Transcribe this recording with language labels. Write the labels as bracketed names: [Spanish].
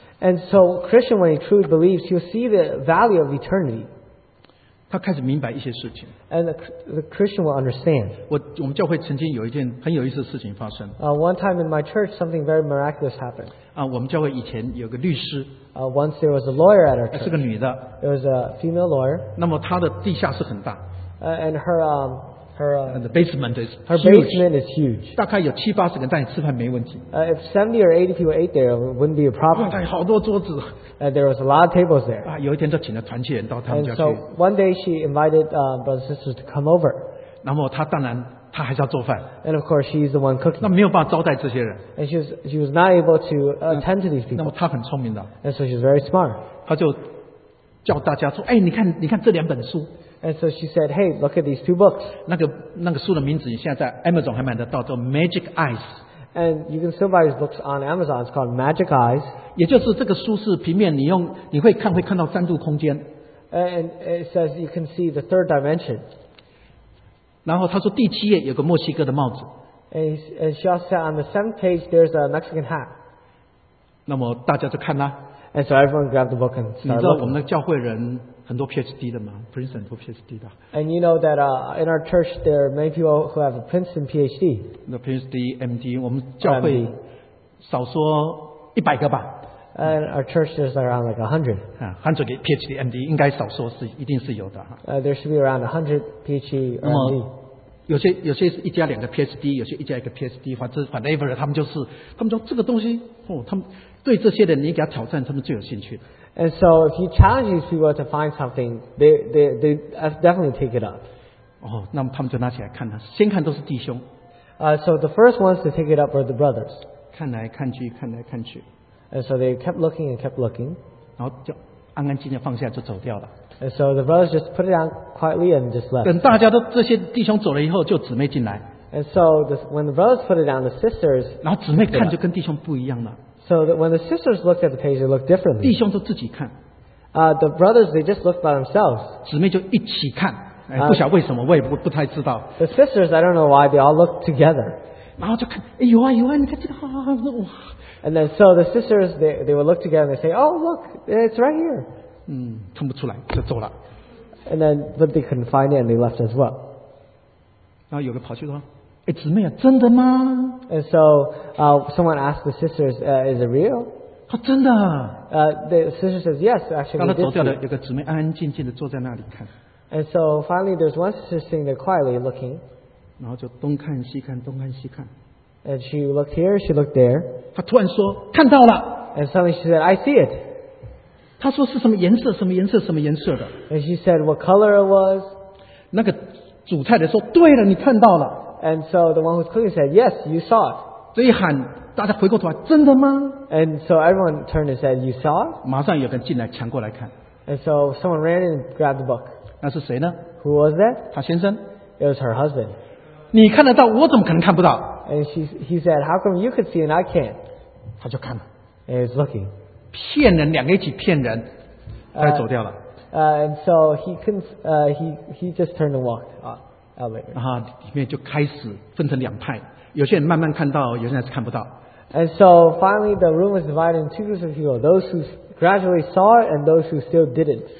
[English] And so Christian, when he truly believes, he will see the value of eternity. [Chinese] 他开始明白一些事情。 [English] And the Christian will understand. [Chinese] 我们教会曾经有一件很有意思的事情发生。 [English] One time in my church, something very miraculous happened. [Chinese] 我们教会以前有个律师。 [English] Once there was a lawyer at our church. [Chinese] 是个女的。 [English] It was a female lawyer. [Chinese] 那么她的地下室很大。 [English] And her and the basement is her huge. Basement is huge. [Chinese] 大概有七八十个人在吃饭没问题。 [English] If 70 or 80 people ate there, it wouldn't be a problem. [Chinese] 哇，好多桌子。 [English] And there was a lot of tables there. [Chinese] 有一天就请了团契人到他们家去。 [English] And so one day she invited brothers and sisters to come over. [Chinese] 然后她当然还是要做饭。 [English] And of course she's the one cooking. [Chinese] 那没有办法招待这些人。 [English] And she was not able to attend to these people. [Chinese] 那么她很聪明的。 [English] And so she's very smart. [Chinese] 她就叫大家说，哎，你看这两本书。 [English] And so she said, hey, look at these two books. [Chinese] 那个书的名字你现在在 Amazon 还买得到，叫 Magic Eyes. [English] And you can still buy these books on Amazon. It's called Magic Eyes. [Chinese] 也就是这个书是平面，你用你会看到三度空间。 [English] And it says you can see the third dimension. [Chinese] 然后他说第七页有个墨西哥的帽子。 [English] And she also said on the seventh page there's a Mexican hat. [Chinese] 那么大家就看啦。 [English] And so everyone grabbed the book and started looking. [Chinese] 你知道我们的教会人 很多 PhD的嘛， Princeton 很多 PhD的。 [English] And you know that in our church there are many people who have a Princeton PhD. [Chinese] PhD, MD， 我们教会少说100个吧。 [English] And our churches are around like 100. [Chinese] 100个 PhD MD 应该少说是一定是有的. [English] There should be around 100 PhD MD. [Chinese] 有些是一家两个 PhD， 有些一家一个 PhD， 反正 whatever， 他们就这个东西，哦，他们对这些的你给他挑战，他们最有兴趣的。 [English] And so if you challenge these people to find something, they definitely take it up. [Chinese] 哦，那么他们就拿起来看了，先看都是弟兄。 [English] So the first ones to take it up were the brothers. [Chinese] 看来看去。 [English] And so they kept looking and kept looking. [Chinese] 然后就安安静静放下就走掉了。 [English] And so the brothers just put it down quietly and just left. [Chinese] 等大家都这些弟兄走了以后，就姊妹进来。 [English] And so when the brothers put it down, the sisters. [Chinese] 然后姊妹看就跟弟兄不一样了。 [English] So when the sisters looked at the page, they looked differently. [Chinese] 弟兄都自己看。 [English] The brothers, they just looked by themselves. [Chinese] 姊妹就一起看。不晓为什么，我也不太知道。 [English] The sisters, I don't know why, they all looked together. [Chinese] 然后就看，哎，有啊，你看这个，哇！ [English] And then so the sisters, they would look together and they say, oh, look, it's right here. [Chinese] 看不出来，就走了。And [English] then, but they couldn't find it and they left as well. [Chinese] 然后有个跑去说，哎，姊妹啊，真的吗？ [English] And so, someone asked the sisters, is it real? [Chinese] 啊，真的。 [English] The sister says, yes, actually, we did. [Chinese] 刚才走掉的有个姊妹安安静静的坐在那里看。 [English] And so finally, there's one sister sitting there quietly looking. [Chinese] 然后就东看西看。 [English] And she looked here, she looked there. [Chinese] 她突然说，看到了。 [English] And suddenly she said, I see it. [Chinese] 她说是什么颜色？ [English] And she said what color it was. [Chinese] 那个主太太说，对了，你看到了。 [English] And so the one who's cooking said, yes, you saw it. [Chinese] 这一喊，大家回过头来，真的吗？ [English] And so everyone turned and said, you saw it? [Chinese] 马上有人进来抢过来看。 [English] And so someone ran in and grabbed the book. [Chinese] 那是谁呢？ [English] Who was that? [Chinese] 她先生。 [English] It was her husband. [Chinese] 你看得到，我怎么可能看不到？ [English] And he said, how come you could see and I can't? [Chinese] 她就看了。 [English] And he's looking. [Chinese] 骗人，两个一起骗人。她就走掉了。 [English] And so he couldn't, he just turned and walked out later. [Chinese] 里面就开始分成两派。有些人慢慢看到，有些人还是看不到。 [English] And so finally the room was divided into two groups of people, those who gradually saw it and those who still didn't.